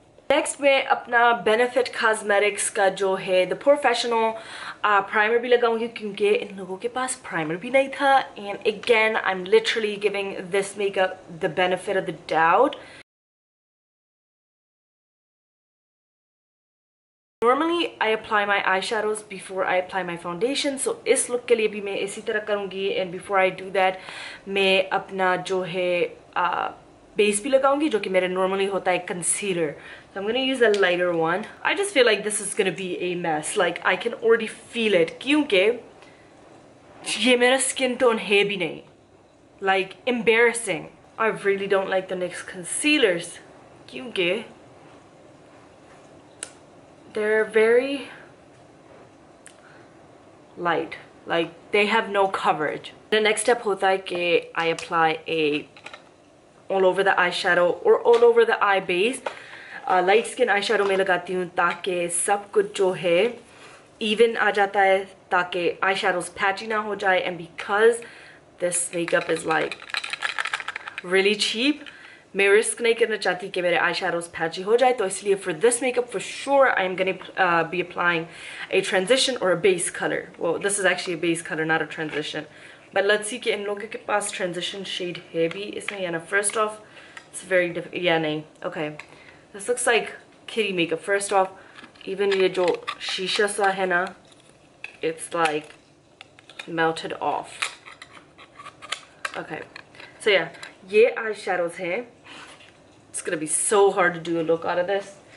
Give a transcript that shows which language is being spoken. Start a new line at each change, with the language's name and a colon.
Hindi: Next मैं अपना benefit cosmetics का जो है द प्रोफेशनल प्राइमर भी लगाऊंगी क्योंकि इन लोगों के पास प्राइमर भी नहीं था.
English: And again I am literally giving this makeup the benefit of the doubt. Normally I apply my eyeshadows before I apply my foundation, so
Hindi: इस लुक के लिए भी मैं इसी तरह करूंगी. And
English: before I do that
Hindi: मैं अपना जो है बेस भी लगाऊंगी जो कि मेरे नॉर्मली होता है concealer.
English: So I am gonna use a lighter one. I just feel like this is gonna be a mess, like I can already feel it
Hindi: क्योंकि ये मेरा स्किन टोन है भी नहीं,
English: Like embarrassing. I really don't like the next concealers क्योंकि they're very light, like they have no coverage. The next step होता है कि I apply a all over the eyeshadow or all over the eye base.
Hindi: Light skin eyeshadow mein lagati hu taaki sab kuch jo hai even aa jata hai ताके आई shadows patchy ना हो जाए and
English: because this makeup is like really cheap
Hindi: मैं risk नहीं करना चाहती कि मेरे आई शैडोज पैची हो जाए तो इसलिए
English: for this makeup for sure I am gonna be applying a transition और a base colour वो this is actually a base colour not a transition but let's see
Hindi: कि इन लोगों के पास ट्रांजिशन शेड है भी इसमें या ना
English: first of it's very difficult या नहीं okay this looks like kitty makeup first of even
Hindi: ये जो शीशा सा है ना
English: It's like melted off. Okay. So yeah,
Hindi: ye eyeshadows hain.
English: It's gonna be so hard to do a look out of this.